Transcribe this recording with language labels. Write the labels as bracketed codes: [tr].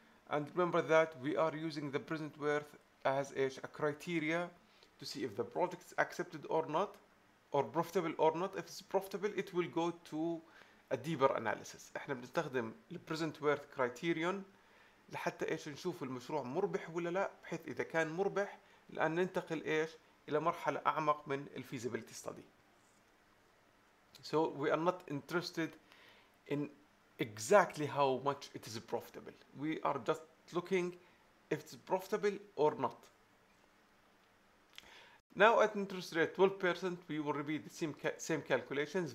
[en] And remember that we are using the present worth as a criteria to see if the project is accepted or not, or profitable or not. If it's profitable, it will go to a deeper analysis. [ar] احنا بنستخدم the present worth criterion لحتى ايش نشوف المشروع مربح ولا لا, بحيث اذا كان مربح الان ننتقل ايش الى مرحلة اعمق من the feasibility study. [en] So we are not interested in exactly how much it is profitable. We are just looking if it's profitable or not. Now at interest rate 12%, we will repeat the same calculations.